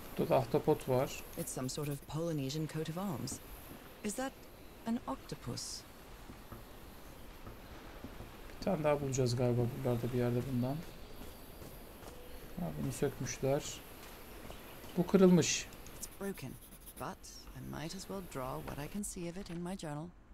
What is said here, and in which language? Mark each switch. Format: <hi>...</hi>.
<tr>Ahtapot var.</tr> <en>It's some sort of Polynesian coat of arms. Is that an octopus?</en> <tr>Bir tane daha bulacağız galiba buralarda bir yerde bundan. Ha, bunu sökmüşler. Bu kırılmış.</tr> <en>It's broken, but I might as well draw what I can see of it in my journal.</en>